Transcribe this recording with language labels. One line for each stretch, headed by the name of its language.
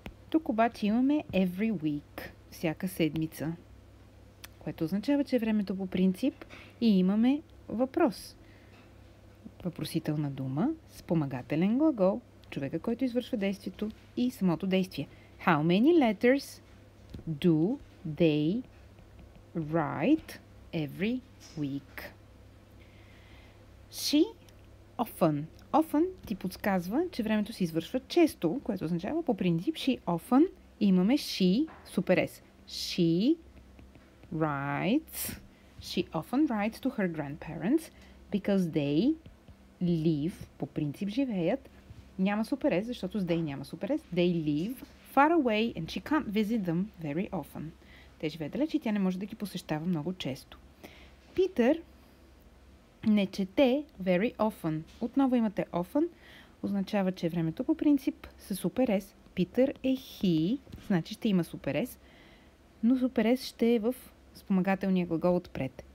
Bulgarian: Тук обаче имаме
English: every week,
Bulgarian: всяка седмица, което означава, че времето по принцип и имаме въпрос. Въпросителна дума, спомагателен глагол, човека, който извършва действието и самото действие.
English: How many letters do they write every week? She often.
Bulgarian: Often ти подсказва, че времето се извършва често, което означава по принцип
English: she often.
Bulgarian: Имаме she, супер S.
English: She writes. She often writes to her grandparents because they live,
Bulgarian: по принцип живеят. Няма супер S, защото с they няма супер S.
English: They live far away and she can't visit them very often.
Bulgarian: Те живеят далеч и тя не може да ги посещава много често. Питър не чете
English: very often.
Bulgarian: Отново имате often. Означава, че времето по принцип са супер S. Питър е he, значи ще има супер S. Но супер S ще е в спомагателния глагол отпред.